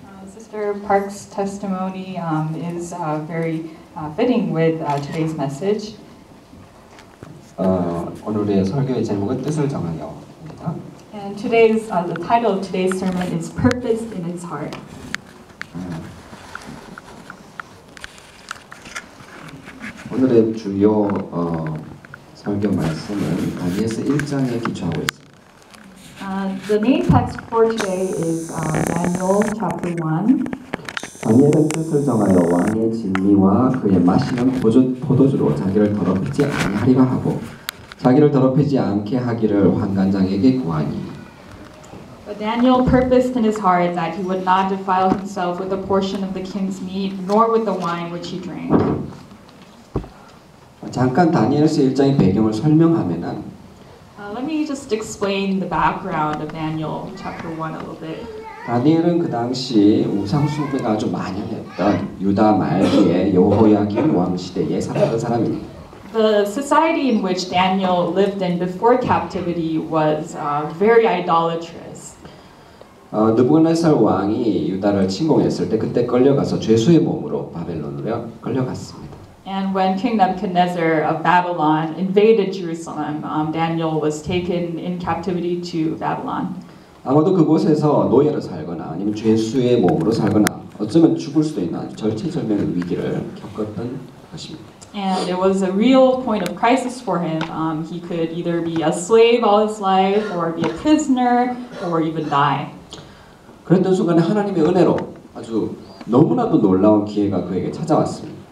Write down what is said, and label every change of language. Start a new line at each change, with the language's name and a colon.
English: Sister Park's testimony is very fitting with today's message.
Korean: 오늘의 설교의 제목은 뜻을 정하여입니다.
English: And today's the title of today's sermon is Purpose in Its Heart.
Korean: 오늘의 주요 설교 말씀은 다니엘서 1장에 기초하고 있습니다.
English: The main text for today is Daniel chapter 1.
Korean: 다니엘의 뜻을 정하여 왕의 진미와 그의 마시는 포도주로 자기를 더럽히지 아니하리라 하고 자기를 더럽히지 않게 하기를 환관장에게 구하니.
English: But Daniel purposed in his heart that he would not defile himself with a portion of the king's meat nor with the wine which he drank.
Korean: 잠깐 다니엘서 1장의 배경을 설명하면은
English: Let me just explain the background of Daniel chapter 1 a little bit.
Korean: 다니엘은 그 당시 우상 숭배가 아주 만연했던 유다 말기의 여호야김 왕 시대에 살았던 사람이니.
English: The society in which Daniel lived in before captivity was very idolatrous.
Korean: 느부갓네살 왕이 유다를 침공했을 때 그때 끌려가서 죄수의 몸으로 바벨론으로 끌려갔습니다.
English: And when King Nebuchadnezzar of Babylon invaded Jerusalem, Daniel was taken in captivity to Babylon.
Korean: 아마도 그곳에서 노예로 살거나 아니면 죄수의 몸으로 살거나 어쩌면 죽을 수도 있는 절체절명의 위기를 겪었던 것입니다.
English: And it was a real point of crisis for him. He could either be a slave all his life, or be a prisoner, or even die.
Korean: 그랬던 순간에 하나님의 은혜로 아주 너무나도 놀라운 기회가 그에게 찾아왔습니다.